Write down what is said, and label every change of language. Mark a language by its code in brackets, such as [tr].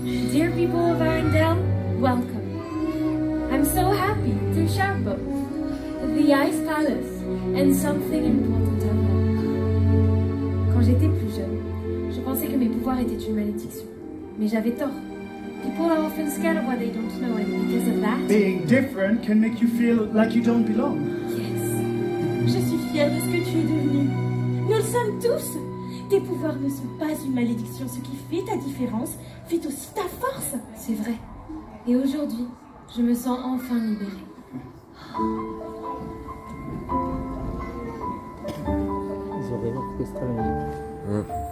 [en] Dear people of Arendelle, welcome. I'm so happy to share both the Ice Palace and something important to me. [fr] Quand j'étais plus jeune, je pensais que mes pouvoirs étaient une malédiction. Mais j'avais tort. [en] People are often scared of what they don't know, and because of that... Being different can make you feel like you don't belong. Yes. [fr] Je suis fière de ce que tu es devenue. Nous le sommes tous. Tes pouvoirs ne sont pas une malédiction. Ce qui fait ta différence fait aussi ta force. C'est vrai. Et aujourd'hui, je me sens enfin libérée. Ils ont vraiment fait ça, mais...